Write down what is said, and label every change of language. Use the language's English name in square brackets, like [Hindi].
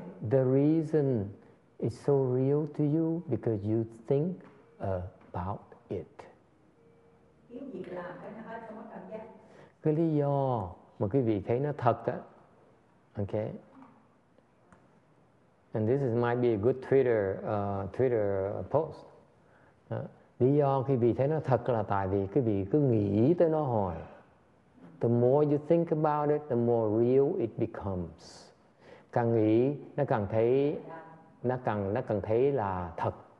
[English] The reason is so real to you because you think about it. [Vietnamese] Cái lý do mà quý vị thấy nó thật đó. [English] Okay. And this is might be a good Twitter post. [Vietnamese] Lý do quý vị thấy nó thật là tại vì quý vị cứ nghĩ tới nó hồi. [English] The more you think about it, the more real it becomes. [Vietnamese] Càng nghĩ nó càng thấy nó càng thấy là thật.